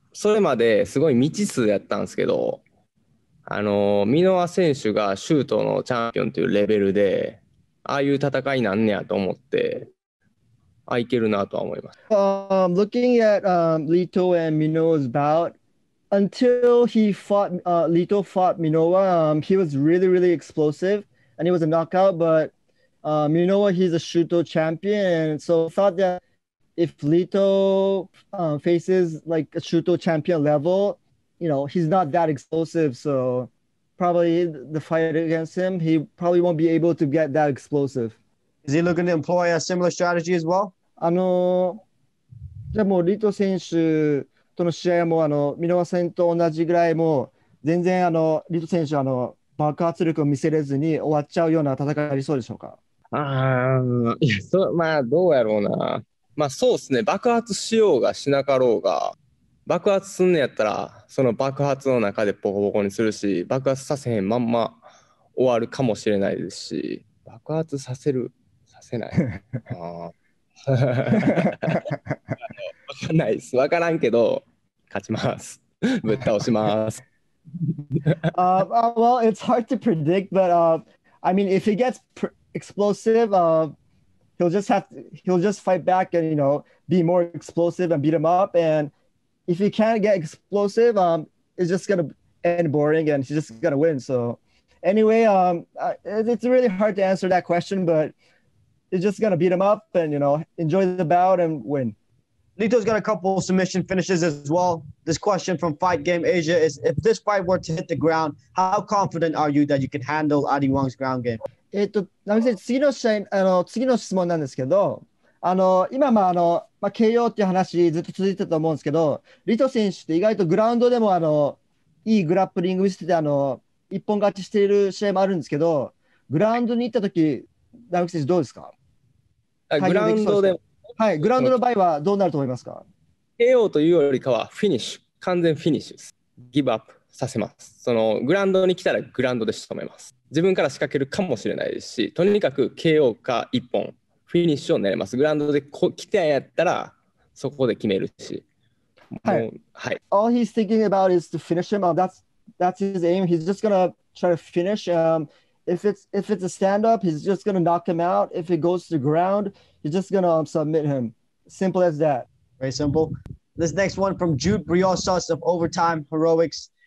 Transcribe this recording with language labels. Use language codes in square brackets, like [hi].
[ja] それまですごい未知数やったんですけど、ミノア選手がシュートのチャンピオンというレベルで、ああいう戦いなんねやと思って、ああいけるなとは思います。 [en] Looking at Lito and Minoa's bout, until he fought, Lito fought Minoa, he was really, really explosive, and it was a knockout, but Minoa, he's a shooto champion, so I thought that if Lito faces like a shooto champion level, you know, he's not that explosive, so probably the fight against him, he probably won't be able to get that explosive. Is he looking to employ a similar strategy as well? [ja] じゃあもうリト選手との試合もミノワ戦と同じぐらいもう全然リト選手爆発力を見せれずに終わっちゃうような戦いありそうでしょうか？どうやろうな。まあそうですね、爆発しようがしなかろうが、爆発すんねやったらその爆発の中でボコボコにするし、爆発させへんまんま終わるかもしれないですし、爆発させるさせないわかんないです、わからんけど勝ちますぶっ倒します。 [en] Well, it's hard to predict, but I mean, if he gets explosive, he'll just fight back and, you know, be more explosive and beat him up. And if he can't get explosive, it's just gonna end boring and he's just gonna win. So anyway, it's really hard to answer that question, but he's just gonna beat him up and, you know, enjoy the bout and win. Lito's got a couple of submission finishes as well. This question from Fight Game Asia is, if this fight were to hit the ground, how confident are you that you can handle Adi Wong's ground game? [ja] 次の試合、次の質問なんですけど、今、KO っていう話ずっと続いてたと思うんですけど、リト選手って意外とグラウンドでもいいグラップリング見せてて、一本勝ちしている試合もあるんですけど、グラウンドに行ったとき、ナウキ選手どうですか？グラウンドで、はい、グラウンドの場合はどうなると思いますか？ KO というよりかはフィニッシュ、完全フィニッシュです。ギブアップさせます。そのグラウンドに来たらグラウンドで仕留めます。自分から仕掛けるかもしれないですし、とにかく KO か一本フィニッシュを狙います。グラウンドで来てやったらそこで決めるし、はい、はい、 [en] All he's thinking about is to finish him. That's his aim. He's just gonna try to finish him. If it's a stand up, he's just gonna knock him out. If it goes to the ground, he's just gonna submit him. Simple as that. Very simple. This next one from Jude Briosos of Overtime Heroics.